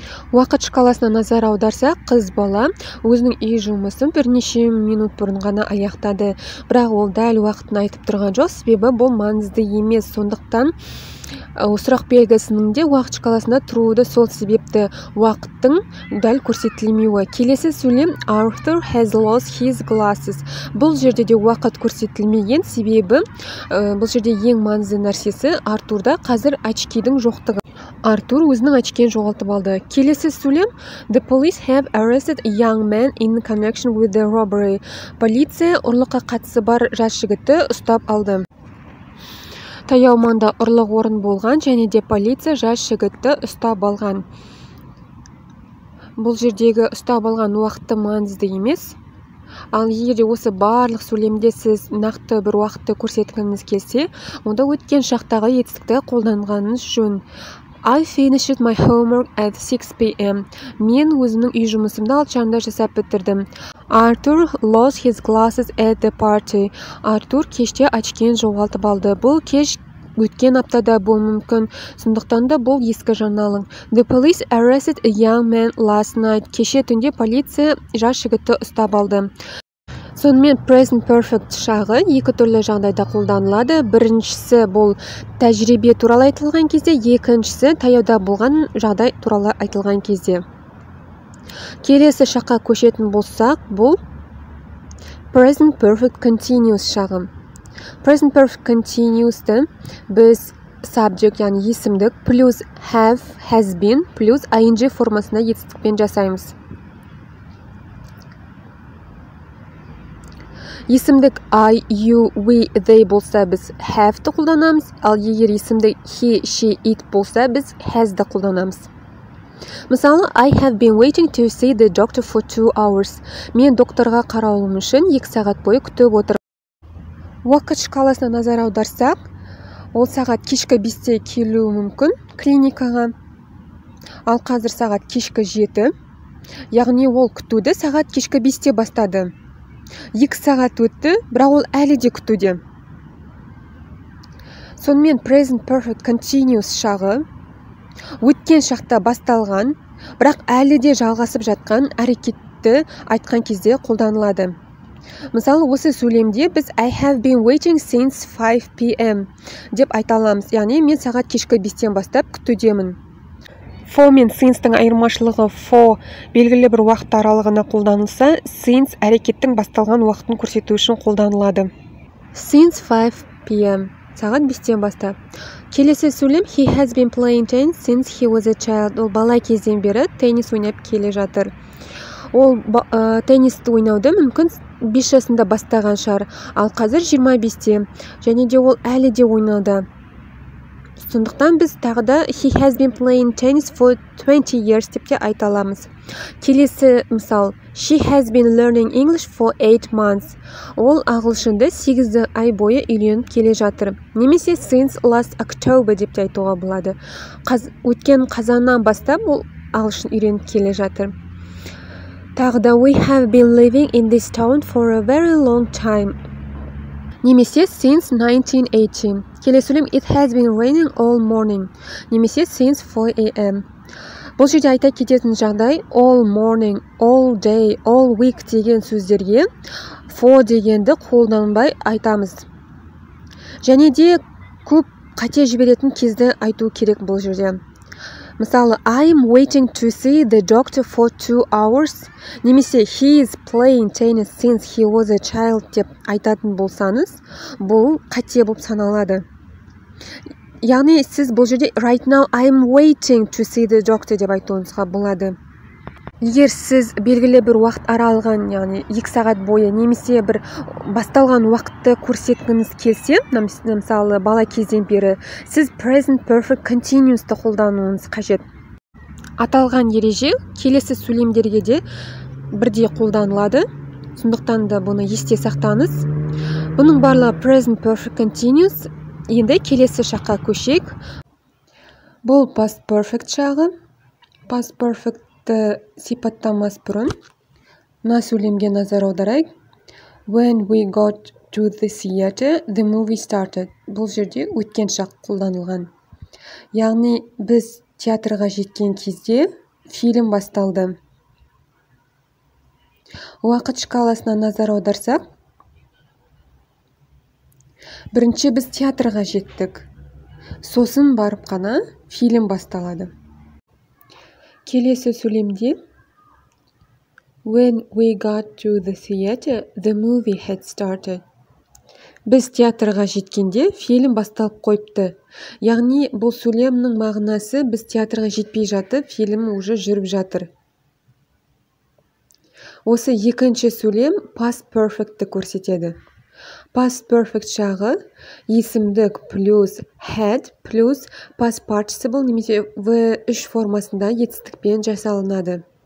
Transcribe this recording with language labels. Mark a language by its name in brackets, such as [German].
[Kazakh] Уақыт шкаласына назар аударса, қыз бала өзінің үй жұмысын бірнеше минут бұрын ғана аяқтады. Бірақ ол дәл уақытын айтып тұрған жоқ, себебі бұл маңызды емес. Сондықтан сұрақ белгісінің де уақыт шкаласында тұруы да сол себепті уақыттың дәл көрсетілмеуі. Келесі сөйлем, [English] Arthur has lost his glasses. [Kazakh] Бұл жерде де уақыт көрсетілмеген, себебі бұл жерде ең маңызды нәрсесі Артурда қазір очкидің жоқтығы. Артур өзінің очкиін жоғалтып алды. Келесі сөйлем, [English] the police have arrested a young man in connection with the robbery. [Kazakh] Полиция ұрлыққа қатысы бар жас жігітті ұстап алды. Таяу маңда ұрлық орын болған және де полиция жас жігітті ұстап алған. бұл жердегі ұстап алған уақытты маңызды емес. Ал егерде осы барлық сөйлемде сіз нақты бір уақытты көрсеткіңіз келсе, онда өткен шақтағы етістікті қолданғаныңыз жөн. [English] I finished my homework at 6 p.m. [Kazakh] Мен өзімнің үй жұмысымды алтыншамда жасап бітірдім. [English] Arthur lost his glasses at the party. [Kazakh] Arthur кеште очкен жоғалтып алды. Бұл кеш өткен аптада болуы мүмкін. Сондықтан да бұл ескі жаңалық. [English] The police arrested a young man last night. [Kazakh] Кеше түнде полиция жас жігітті ұстап алды. Сонымен present perfect шағы екі түрлі жағдайда қолданылады. Біріншісі бұл тәжірибе туралы айтылған кезде, екіншісі таяуда болған жағдай туралы айтылған кезде. Келесі шаққа көшетін болсақ, бұл present perfect continuous шағы. Present perfect continuous-ты біз subject, яғни есімдік, plus have, has been, plus ing формасында етістікпен жасаймыз. Есімдік I, you, we, they болса, біз have-ті қолданамыз, ал егер есімдік he, she, it болса, біз has-ді қолданамыз. Мысалы, [English] I have been waiting to see the doctor for 2 hours. [Kazakh] Мен докторға қарауым үшін 2 сағат бойы күтіп отырмын. Уақыт шкаласына назар аударсақ, ол сағат кешкі 5-те келуі мүмкін клиникаға, ал қазір сағат кешкі 7, яғни ол күтуді сағат кешкі 5-те бастады. 2 сағат өтті, бірақ ол әлі де күтуде. Сонымен present perfect continuous шағы өткен шақта басталған, бірақ әлі де жалғасып жатқан әрекетті айтқан кезде қолданылады. Мысалы, осы сөйлемде біз [English] I have been waiting since 5 p.m. [Kazakh] деп айталамыз. Яғни, мен сағат кешкі 5-тен бастап күтудемін. For мен since-тің айырмашылығы for белгілі бір уақыт аралығына қолданылса, since әрекеттің басталған уақытын көрсету үшін қолданылады. [English] Since 5 p.m. [Kazakh] сағат 5-тен бастап. Келесі сөйлем [English] he has been playing tennis since he was a child. [Kazakh] Ол бала кезден бері теннис ойнап келе жатыр. Ол теннисті ойнауды мүмкін 5 жасында бастаған шығар, ал қазір 25-те, және де ол әлі де ойнауда. Сондықтан біз тағы да [English] he has been playing tennis for 20 years [Kazakh] деп те айталамыз. Келесі мысал, [English] she has been learning English for 8 months. [Kazakh] Ол ағылшынды 8 ай бойы үйреніп келе жатыр. Немесе [English] since last October [Kazakh] деп те айтуға болады. Өткен қазаннан бастап ол ағылшын үйреніп келе жатыр. Тағы да [English] we have been living in this town for a very long time. [Kazakh] Немесе [English] since 1918. [Kazakh] Келесі сөйлем [English] it has been raining all morning. [Kazakh] Немесе [English] since 4 a.m. [Kazakh] Бұл жерде айта кететін жағдай all morning, all day, all week деген сөздерге for дегенді қолданбай айтамыз. Және де көп қате жіберетін кезді айту керек бұл жерде. [English] Мысалы, I'm waiting to see the doctor for 2 hours. [Kazakh] Немесе, [English] he is playing tennis since he was a child [Kazakh] деп айтатын болсаңыз, бұл қате болып саналады. Яғни, сіз бұл жерде [English] right now I'm waiting to see the doctor [Kazakh] деп айтуыңызға болады. Егер сіз белгілі бір уақыт аралған, яғни 2 сағат бойы, немесе бір басталған уақытты көрсеткіңіз келсе, мысалы, бала кезден бері, сіз present perfect continuous-ты қолдануыңыз қажет. Аталған ереже келесі сөйлемдерге де бірдей қолданылады, сондықтан да бұны есте сақтаңыз. Бұның барлығы present perfect continuous, енді келесі шаққа көшек. Бұл past perfect шағы, past perfect сипаттамас бұрын мына сөйлемге назар аударайық. [English] When we got to the theater, the movie started. [Kazakh] Бұл жерде өткен шақ қолданылған. Яғни, біз театрға жеткен кезде фильм басталды. Уақыт шкаласына назар аударсақ, бірінші біз театрға жеттік. Сосын барып қана фильм басталады. Келесі сөйлемде [English] When we got to the theater, the movie had started. [Kazakh] Біз театрға жеткенде фильм басталып қойыпты. Яғни, бұл сөйлемнің мағынасы біз театрға жетпей жатып, фильм [Russian] уже [Kazakh] жүріп жатыр. Осы екінші сөйлем past perfect-ті көрсетеді. Past perfect шағы есімдік плюс had плюс past participle немесе в үш формасында етістікпен жасалынады.